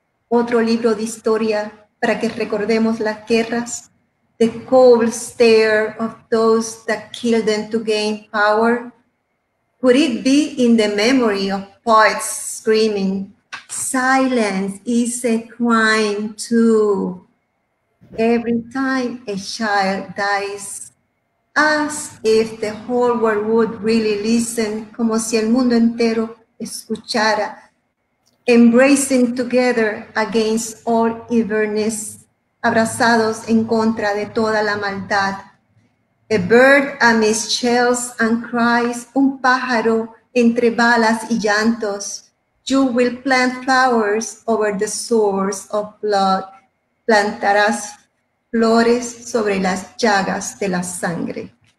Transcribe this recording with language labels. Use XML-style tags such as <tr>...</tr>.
<es>Otro libro de historia para que recordemos las guerras.</es> <en>The cold stare of those that killed them to gain power. Could it be in the memory of poets screaming, silence is a crime too. Every time a child dies. As if the whole world would really listen,</en> <es>como si el mundo entero escuchara</es> <en>embracing together against all evilness,</en> <es>abrazados en contra de toda la maldad.</es> <en>A bird amidst shells and cries,</en> <es>un pájaro entre balas y llantos.</es> <en>You will plant flowers over the source of blood.</en> <es>Plantarás flores sobre las llagas de la sangre.</es>